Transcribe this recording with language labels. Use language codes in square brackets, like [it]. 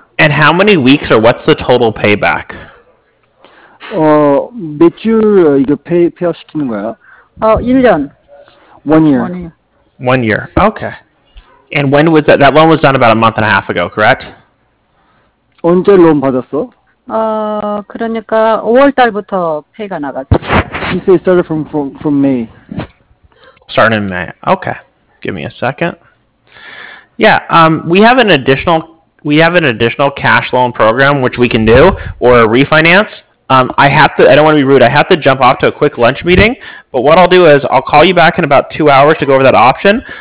[en] And how many weeks or what's the total payback? [ko] 몇주 이거 페이업 시키는 거야? 1년. [en] One year. [ko] 1년. [en] 1 year. Okay. And when was that? That loan was done about a month and a half ago, correct? [ko] 언제 론 받았어? Kronika 5월 달부터 페이가 나갔지. [en] She said started from May. Starting in May. Okay. Give me a second. We have an additional cash loan program which we can do or a refinance. I don't want to be rude. I have to jump off to a quick lunch meeting, but what I'll do is I'll call you back in about 2 hours to go over that option.